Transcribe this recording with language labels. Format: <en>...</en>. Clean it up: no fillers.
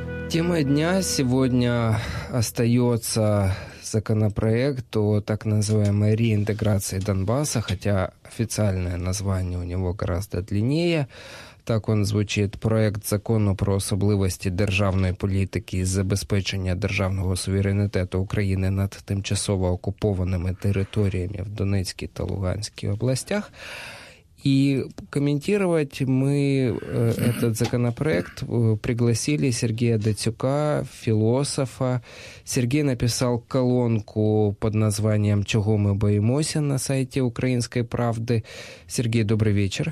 <ru>Тема дня сегодня остается законопроект о так называемой реинтеграции Донбасса, хотя официальное название у него гораздо длиннее. Так он звучит:</ru> <uk>проект закону про особливості державної політики з забезпечення державного суверенітету України над тимчасово окупованими територіями в Донецькій та Луганській областях.</uk> <ru>И комментировать мы этот законопроект пригласили Сергея Дацюка, философа. Сергей написал колонку под названием «Чего мы боимся» на сайте «Украинской правды». Сергей, добрый вечер.</ru>